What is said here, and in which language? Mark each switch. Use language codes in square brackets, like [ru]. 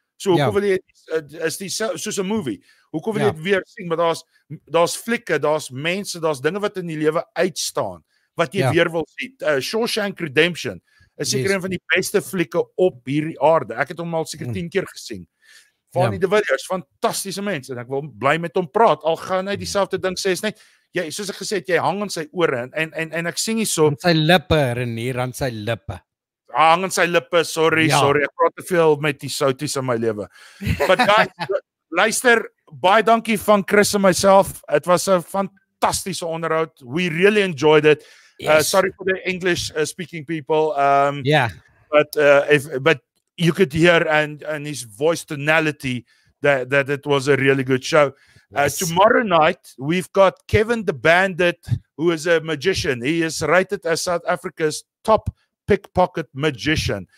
[af] So hoekom wil jy is die soos 'n movie. Hoekom wil jy dit weer sien? Maar daar's flikke, daar's mense, daar's dinge wat in die lewe uitstaan wat jy weer wil sien. Shawshank Redemption is seker een van die beste flieke op hierdie aarde. Ek het hom al seker 10 keer gesien. Fanie de Villiers, fantastiese mens en ek wil bly met hom praat. Al gaan hy dieselfde ding sê, is net jy soos ek gesê het, jy hang in sy ore en ek sien hierso sy lippe renier aan sy lippe. Hang in sy lippe, sorry, ek praat te veel met die souties in my lewe. [en] But guys, [af] luister, baie dankie van Chris en myself. Dit was 'n fantastiese onderhoud. [en] We really enjoyed it. Sorry for the English speaking people. But you could hear and his voice tonality that it was a really good show. Yes. Tomorrow night we've got Kevin the Bandit, who is a magician. He is rated as South Africa's top pickpocket magician.